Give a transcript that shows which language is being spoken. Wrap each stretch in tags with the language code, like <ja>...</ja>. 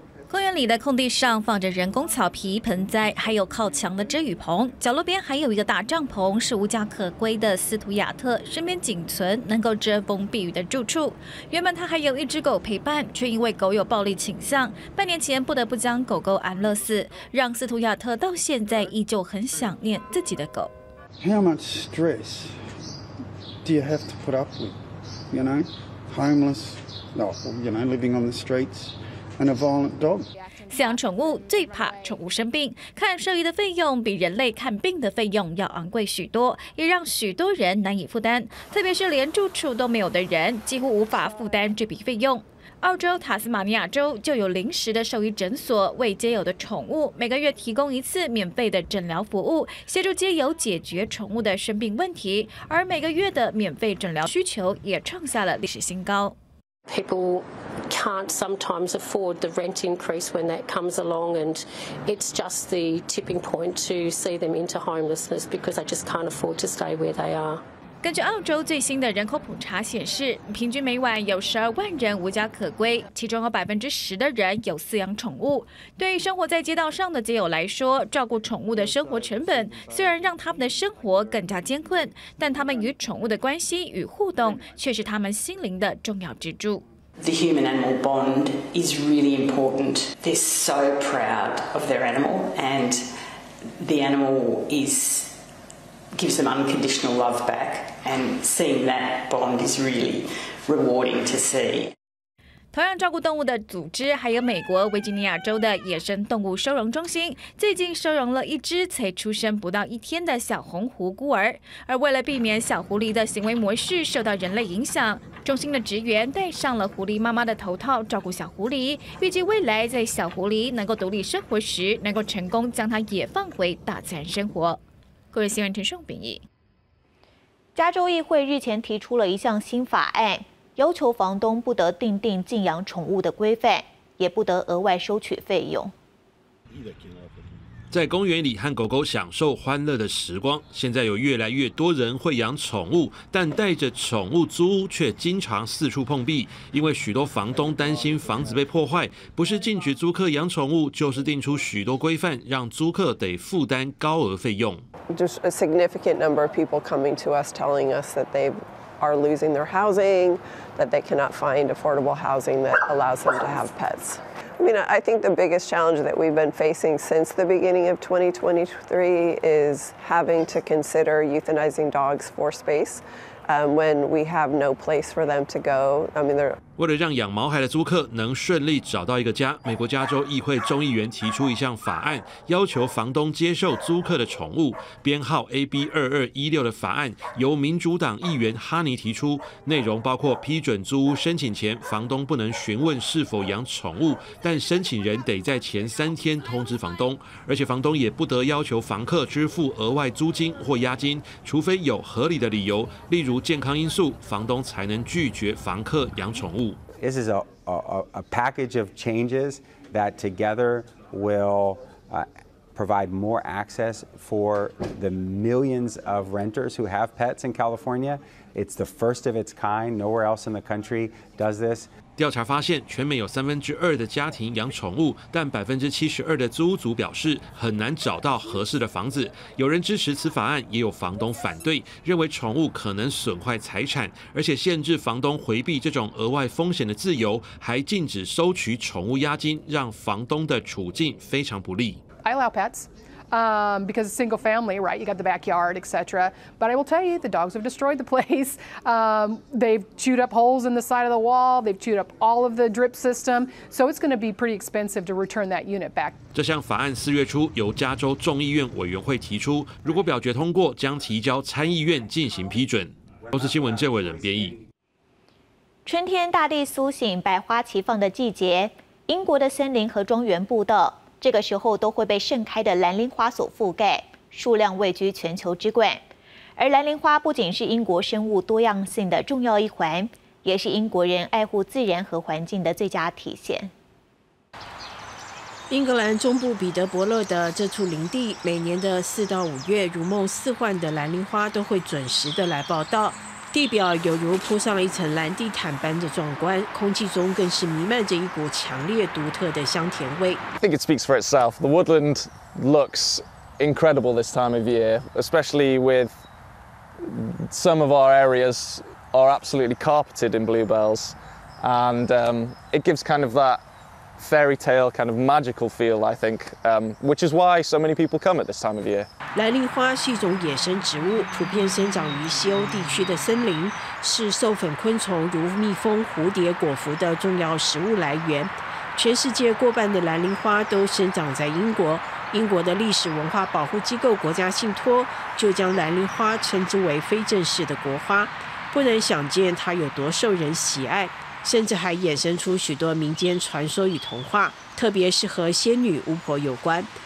<zh>公园里的空地上放着人工草皮、盆栽，还有靠墙的遮雨棚，角落边还有一个大帐篷，是无家可归的斯图亚特身边仅存能够遮风避雨的住处。原本他还有一只狗陪伴，却因为狗有暴力倾向，半年前不得不将狗狗安乐死，让斯图亚特到现在依旧很想念自己的狗。</zh> <en>How much stress do you have to put up with? You know, homeless, you know, living on the streets. And a violent dog.</en> <zh>饲养宠物最怕宠物生病，看兽医的费用比人类看病的费用要昂贵许多，也让许多人难以负担。特别是连住处都没有的人，几乎无法负担这笔费用。澳洲塔斯马尼亚州就有临时的兽医诊所，为皆有的宠物每个月提供一次免费的诊疗服务，协助皆有解决宠物的生病问题。而每个月的免费诊疗需求也创下了历史新高。</zh> <en>People can't sometimes afford the rent increase when that comes along, and it's just the tipping point to see them into homelessness because they just can't afford to stay where they are.</en> <zh>根据澳洲最新的人口普查显示，平均每晚有12万人无家可归，其中有10%的人有饲养宠物。对于生活在街道上的街友来说，照顾宠物的生活成本虽然让他们的生活更加艰困，但他们与宠物的关系与互动却是他们心灵的重要支柱。</zh> <en>The human animal bond is really important. They're so proud of their animal, and the animal gives them unconditional love back, and seeing that bond is really rewarding to see.</en> <zh>同样照顾动物的组织还有美国维吉尼亚州的野生动物收容中心，最近收容了一只才出生不到一天的小红狐孤儿。而为了避免小狐狸的行为模式受到人类影响，中心的职员戴上了狐狸妈妈的头套照顾小狐狸，预计未来在小狐狸能够独立生活时，能够成功将它也放回大自然生活。各位新闻陈颂秉义。加州议会日前提出了一项新法案，要求房东不得订定禁养宠物的规范，也不得额外收取费用。在公园里和狗狗享受欢乐的时光，现在有越来越多人会养宠物，但带着宠物租屋却经常四处碰壁，因为许多房东担心房子被破坏，不是禁止租客养宠物，就是定出许多规范，让租客得负担高额费用。</zh> <en>There's a significant number of people coming to us telling us that they are losing their housing, that they cannot find affordable housing that allows them to have pets. I mean, I think the biggest challenge that we've been facing since the beginning of 2023 is having to consider euthanizing dogs for space. when we have no place for them to go. I mean, they're.</en> <zh>为了让养毛孩的租客能顺利找到一个家，美国加州议会众议员提出一项法案，要求房东接受租客的宠物。编号 AB2216 的法案由民主党议员哈尼提出，内容包括批准租屋申请前，房东不能询问是否养宠物，但申请人得在前三天通知房东，而且房东也不得要求房客支付额外租金或押金，除非有合理的理由，例如健康因素，房东才能拒绝房客养宠物。</zh> <en>This is a package of changes that together will provide more access for the millions of renters who have pets in California. It's the first of its kind. Nowhere else in the country does this.</en> <zh>调查发现，全美有三分之二的家庭养宠物，但72%的租屋族表示很难找到合适的房子。有人支持此法案，也有房东反对，认为宠物可能损坏财产，而且限制房东回避这种额外风险的自由，还禁止收取宠物押金，让房东的处境非常不利。</zh> <en>I allow pets, because it's single family, right? You got the backyard, etc. But I will tell you, the dogs have destroyed the place. They've chewed up holes in the side of the wall. They've chewed up all of the drip system. So it's going to be pretty expensive to return that unit back.</en> <zh>这项法案四月初由加州众议院委员会提出，如果表决通过，将提交参议院进行批准。都市新闻郑伟仁编译。春天大地苏醒，百花齐放的季节，英国的森林和庄园步道。这个时候都会被盛开的蓝铃花所覆盖，数量位居全球之冠。而蓝铃花不仅是英国生物多样性的重要一环，也是英国人爱护自然和环境的最佳体现。英格兰中部彼得伯勒的这处林地，每年的4到5月，如梦似幻的蓝铃花都会准时的来报道，地表犹如铺上一层蓝地毯般的壮观，空气中更是弥漫着一股强烈独特的香甜味。</zh> <en>I think it speaks for itself. The woodland looks incredible this time of year, especially with some of our areas are absolutely carpeted in bluebells, and it gives kind of that fairy tale kind of magical feel. I think, which is why so many people come at this time of year.</en> <zh>蓝铃花是一种野生植物，普遍生长于西欧地区的森林，是授粉昆虫如蜜蜂、蝴蝶、果蝠的重要食物来源。全世界过半的蓝铃花都生长在英国，英国的历史文化保护机构国家信托就将蓝铃花称之为非正式的国花，不能想见它有多受人喜爱，甚至还衍生出许多民间传说与童话，特别是和仙女、巫婆有关。</zh>